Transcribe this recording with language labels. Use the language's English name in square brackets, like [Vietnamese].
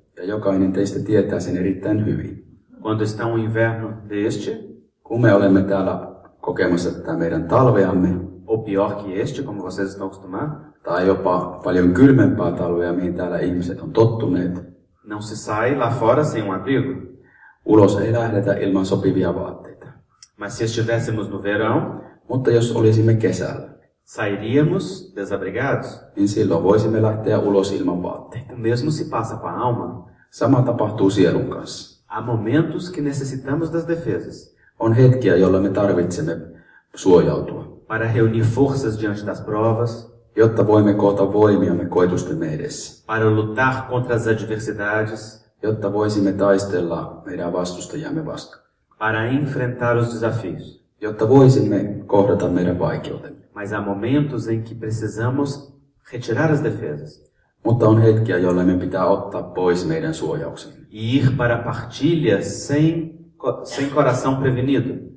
[Finnish] Ja jokainen teistä tietää sen erittäin hyvin. [Portuguese] Quando está um inverno deste, [Finnish] kun me olemme täällä kokemassa tätä meidän talveamme, [Portuguese] ou pior que este, como vocês estão acostumados, [Finnish] tai jopa paljon kylmempää talvea, mihin täällä ihmiset on tottuneet, [Portuguese] não se sai lá fora sem um abrigo. [Finnish] Ulos ei lähdetä ilman sopivia vaatteita. [Portuguese] Mas se estivéssemos no verão, [Finnish] mutta jos olisimme kesällä, [Portuguese] sairíamos desabrigados. [Finnish] Niin silloin voisimme lähteä ulos ilman vaatteita. [Portuguese] Mesmo se passa com a alma. [Finnish] Sama tapahtuu sielun kanssa. [Portuguese] Há momentos que necessitamos das defesas. [Finnish] On hetkiä, jolla me tarvitsemme suojautua. [Portuguese] Para reunir forças diante das provas. [Finnish] Jotta voimme koota voimiamme koetustemme edessä. [Portuguese] Para lutar contra as adversidades. [Finnish] Jotta voisimme taistella meidän vastustajamme vastaan. [Portuguese] Para enfrentar os desafios. [Finnish] jotta voisimme kohdata meidän vaikeutemme. [Portuguese] Mas há momentos em que precisamos retirar as defesas. [Finnish] Mutta on hetkiä, jolloin meidän pitää ottaa pois meidän suojauksemme. [Portuguese] E ir para a partilha sem coração prevenido.